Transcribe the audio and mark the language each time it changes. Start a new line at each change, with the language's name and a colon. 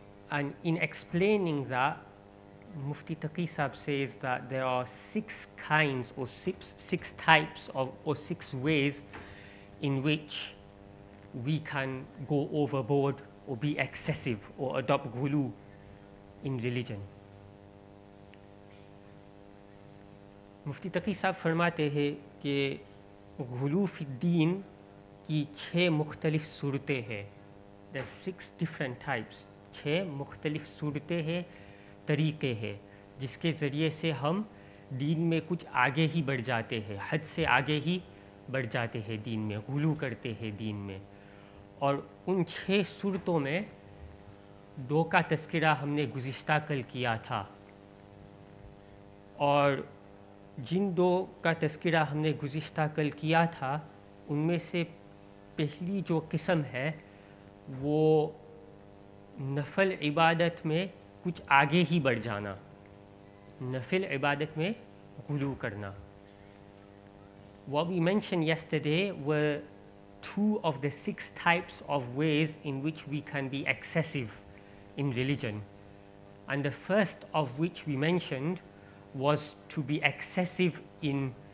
English: And in explaining that, Mufti Taqi Sahib says that there are six kinds or six types of or six ways in which we can go overboard or be excessive or adopt ghulu in religion.
Urdu: مفتی تقی صاحب فرماتے ہیں کہ غلو فی الدین کی چھ مختلف صورتیں ہیں.
English: There's six different types.
Urdu: چھ مختلف صورتیں ہیں, طریقے ہیں جس کے ذریعے سے ہم دین میں کچھ آگے ہی بڑھ جاتے ہیں, حد سے آگے ہی بڑھ جاتے ہیں دین میں, غلو کرتے ہیں دین میں. اور ان چھ صورتوں میں دو کا تذکرہ ہم نے گزشتہ کل کیا تھا, اور جن دو کا تذکرہ ہم نے گزشتہ کل کیا تھا ان میں سے پہلی جو قسم ہے وہ نفل عبادت میں کچھ آگے ہی بڑھ جانا, نفل عبادت میں غلو کرنا.
English: What we mentioned yesterday were two of the six types of ways in which we can be excessive in religion. And the first of which we mentioned was to be excessive in